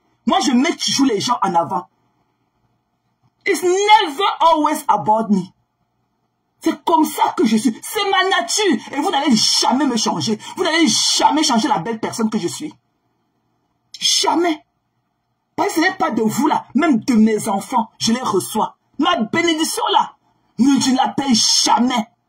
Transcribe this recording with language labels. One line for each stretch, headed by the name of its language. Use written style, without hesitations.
French: Moi, je mets toujours les gens en avant.
English: It's never always about me.
French: C'est comme ça que je suis. C'est ma nature. Et vous n'allez jamais me changer. Vous n'allez jamais changer la belle personne que je suis. Jamais. Parce que ce n'est pas de vous là. Même de mes enfants, je les reçois. Ma bénédiction là, je ne la paye jamais.